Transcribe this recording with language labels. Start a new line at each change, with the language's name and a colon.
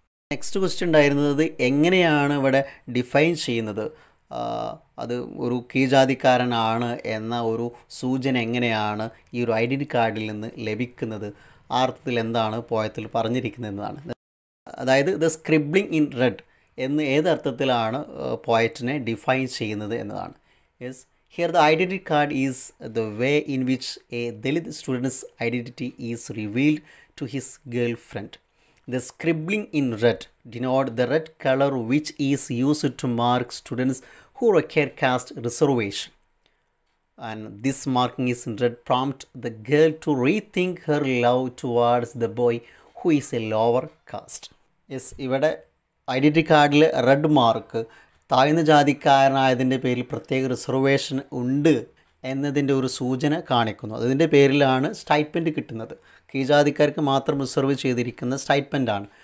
Malayalam: Next question ഉണ്ടായിരുന്നത് എങ്ങനെയാണ് ഇവിടെ ഡിഫൈൻ ചെയ്യുന്നത്, അത് ഒരു കീജാതിക്കാരനാണ് എന്ന ഒരു സൂചന എങ്ങനെയാണ് ഈ ഒരു ഐഡൻറ്റിറ്റി കാർഡിൽ നിന്ന് ലഭിക്കുന്നത്, ആ അർത്ഥത്തിൽ എന്താണ് പോയത്തിൽ പറഞ്ഞിരിക്കുന്നതെന്നാണ്. അതായത്
English: the scribbling in red
Malayalam: എന്ന് ഏതർത്ഥത്തിലാണ് പോയറ്റിനെ ഡിഫൈൻ ചെയ്യുന്നത് എന്നതാണ്.
English: Yes, here the identity card is the way in which a Dalit student's identity is revealed to his girlfriend. The scribbling in red denotes the red color which is used to mark students who require caste reservation. And this marking is in red prompts the girl to rethink her love towards the boy who who is a lower caste.
Malayalam: Yes, ഇവിടെ identity കാർഡിൽ red mark താഴ്ന്ന ജാതിക്കാരനായതിൻ്റെ പേരിൽ പ്രത്യേക reservation ഉണ്ട് എന്നതിൻ്റെ ഒരു സൂചന കാണിക്കുന്നു. അതിൻ്റെ പേരിലാണ് സ്റ്റൈപ്പൻഡ് കിട്ടുന്നത്. കീഴ്ജാതിക്കാർക്ക് മാത്രം റിസർവ് ചെയ്തിരിക്കുന്ന സ്റ്റൈപ്പൻഡാണ്.